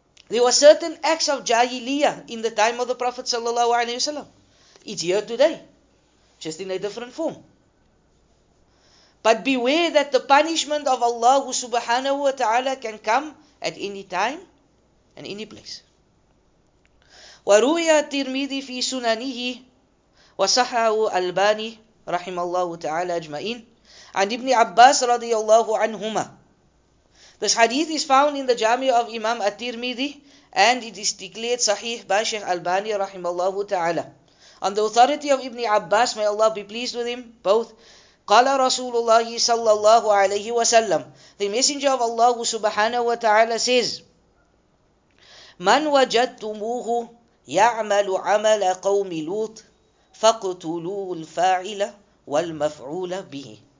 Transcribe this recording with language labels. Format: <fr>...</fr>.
<en>There were certain acts of jahiliyyah in the time of the Prophet ﷺ. It's here today, just in a different form. But beware that the punishment of Allah subhanahu wa ta'ala can come at any time and any place.</en> <ar>وروي الترمذي في سننه وصححه الألباني رحمه الله تعالى أجمعين عن ابن عباس رضي الله عنهما.</ar> <en>This hadith is found in the Jami of Imam At-Tirmidhi and it is declared sahih by Sheikh Albani</en> <ar>رحمه الله تعالى.</ar> <en>On the authority of Ibn Abbas, may Allah be pleased with him both.</en> <ar>قال رسول الله صلى الله عليه وسلم.</ar> <en>The Messenger of Allah</en> <ar>سبحانه وتعالى</ar> <en>says,</en> <ar>من وجدتموه يعمل عمل قوم لوط فقتلوا الفاعل والمفعول به.</ar>